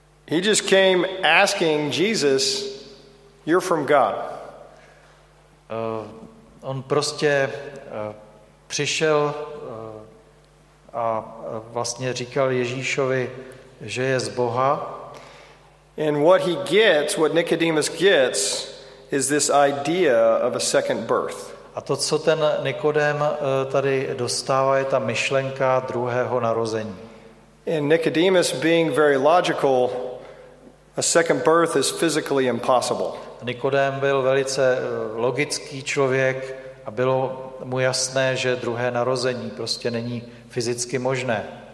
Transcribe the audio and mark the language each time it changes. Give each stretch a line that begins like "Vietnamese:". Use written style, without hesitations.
English: He just came asking Jesus, you're from God.
Czech: On prostě přišel a vlastně říkal Ježíšovi, že je z Boha.
English: And what he gets, what Nicodemus gets, is this idea of a second birth.
Czech: A to, co ten Nikodém tady dostává, je ta myšlenka druhého narození.
English: And Nicodemus being very logical, a second birth is physically impossible.
Czech: Nikodém byl velice logický člověk a bylo mu jasné, že druhé narození prostě není fyzicky možné.